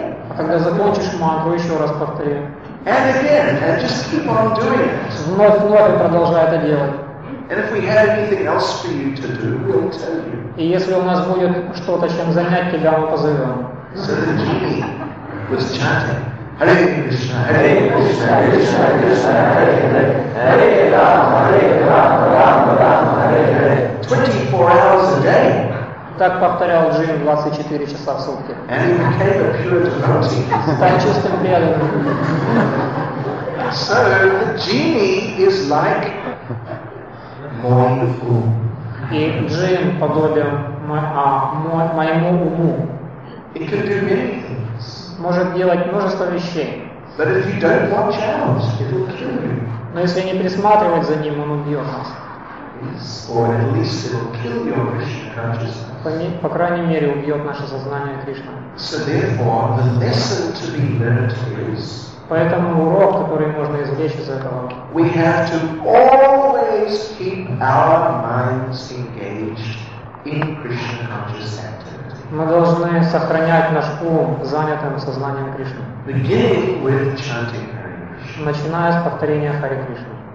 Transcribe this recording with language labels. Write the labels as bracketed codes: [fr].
[ru] А когда закончишь мантру, еще раз повтори. [en] And again, and just keep on doing it. [ru] Вновь, вновь продолжай это делать. [en] And if we had anything else for you to do, we'll tell you. [ru] И если у нас будет что-то, чем занять тебя, мы позовем. [en] So the genie was chanting, Hare Krishna, Hare Krishna, Krishna Krishna, Hare Hare, Hare Rama, Hare Rama, Rama Rama, Hare Hare. 24 hours a day. [ru] Так повторял джин 24 часа в сутки. [en] And he became a pure devotee. [ru] Стал чистым преданным. [en] So the genie is like [ru] моему уму. И джин подобен моему уму. [en] It can do many things. [ru] Может делать множество вещей. [en] But if you don't watch out, it will kill you. [ru] Но если не присматривать за ним, он убьет нас. [en] Yes. Or at least it will kill your Krishna consciousness. [ru] По крайней мере, убьет наше сознание Кришна. [en] So therefore, the lesson to be learned is. [ru] Поэтому урок, который можно извлечь из этого. [en] We have to always keep our minds engaged in Krishna conscious activity. [ru] Мы должны сохранять наш ум занятым сознанием Кришны. [en] Beginning with chanting Hare Krishna. [ru] Начиная с повторения Хари Кришны.